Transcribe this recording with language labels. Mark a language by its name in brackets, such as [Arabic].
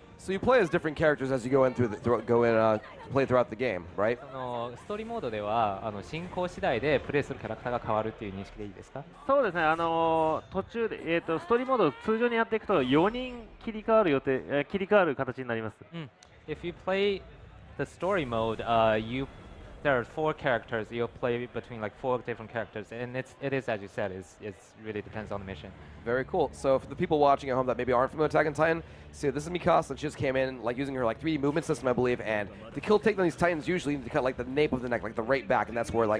[English] So you play as different characters as you go in through the play throughout the game, right? [Japanese] あのストーリーモードではあの進行次第でプレイするキャラクターが変わるっていう認識でいいですか？そうですね。あの途中でストーリーモードを通常にやっていくと4人切り替わる予定切り替わる形になります。 [English] If you play the story mode, there are four characters. You'll play between like four different characters, and it is as you said. It really depends on the mission. Very cool. So for the people watching at home that maybe aren't familiar with Attack on Titan, see, this is Mikasa. She just came in, like using her like 3D movement system, I believe. And to kill take on these Titans, usually you need to cut like the nape of the neck, like the right back, and that's where like